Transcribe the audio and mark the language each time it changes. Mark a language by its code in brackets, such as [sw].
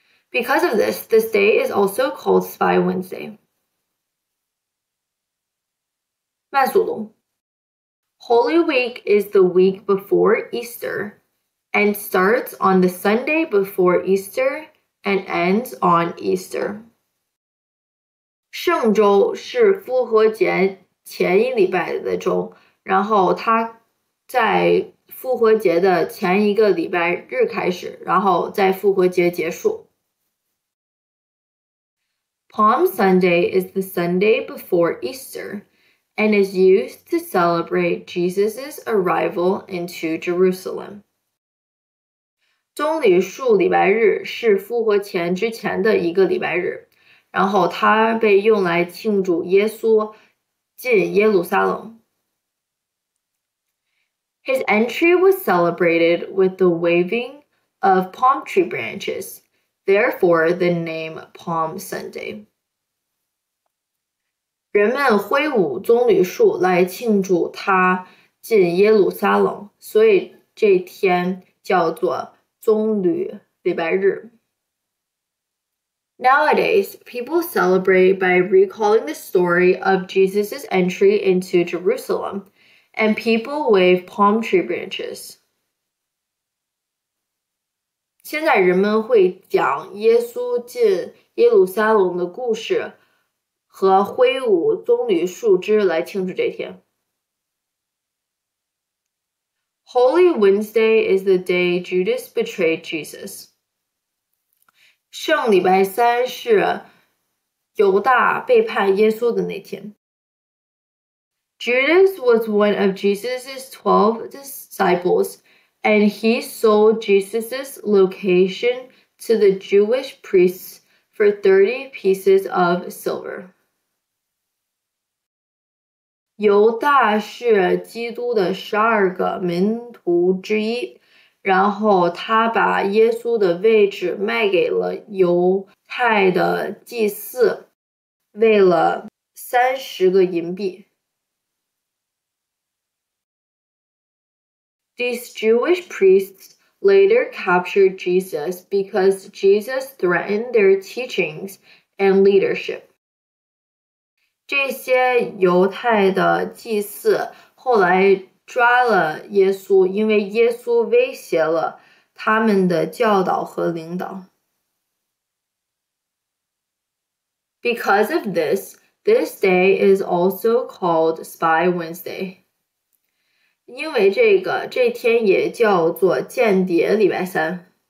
[en] Because of this, this day is also called Spy Wednesday. [zh] 慢速读。 [en] Holy Week is the week before Easter and starts on the Sunday before Easter and ends on Easter. [zh] 圣周是复活节前一礼拜的周，然后它在复活节的前一个礼拜日开始，然后在复活节结束。 [en] Palm Sunday is the Sunday before Easter and is used to celebrate Jesus' arrival into Jerusalem. [zh] 棕榈树礼拜日是复活前之前的一个礼拜日，然后它被用来庆祝耶稣进耶路撒冷。 [en] His entry was celebrated with the waving of palm tree branches, therefore the name Palm Sunday. [zh] 人们挥舞棕榈树来庆祝他进耶路撒冷，所以这天叫做棕榈礼拜日。 [en] Nowadays, people celebrate by recalling the story of Jesus' entry into Jerusalem, and people wave palm tree branches. [zh] 现在人们会讲耶稣进耶路撒冷的故事和挥舞棕榈树枝来庆祝这天。 [en] Holy Wednesday is the day Judas betrayed Jesus. [zh] 圣礼拜三是犹大背叛耶稣的那天。 [en] Judas was one of Jesus' 12 disciples, and he sold Jesus' location to the Jewish priests for 30 pieces of silver. [zh] 犹大是基督的十二个门徒之一，然后他把耶稣的位置卖给了犹太的祭司，为了30个银币。 [en] These Jewish priests later captured Jesus because Jesus threatened their teachings and leadership. [zh] 这些犹太的祭司后来抓了耶稣，因为耶稣威胁了他们的教导和领导。 [en] Because of this, this day is also called Spy Wednesday. [zh] 因为这个，这天也叫做间谍礼拜三。